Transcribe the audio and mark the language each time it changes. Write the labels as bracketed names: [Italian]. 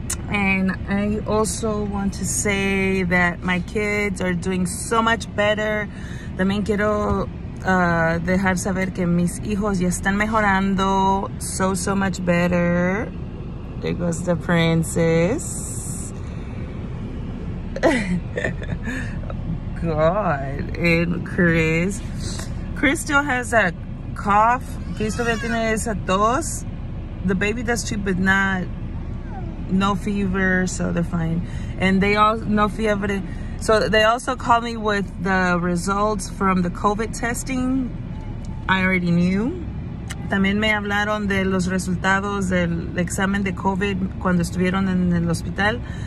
[English] And I also want to say that my kids are doing so much better. [Spanish] También quiero dejar saber que mis hijos ya están mejorando [English] so much better. There goes the princess. God. And Chris still has a cough. [Spanish] Chris todavía tiene esa tos. [English] The baby does too, but not, no fever, so they're fine. And they all, [Spanish] no fiebre. [English] So they also called me with the results from the COVID testing. I already knew. [Spanish] También me hablaron de los resultados del examen de COVID cuando estuvieron en el hospital.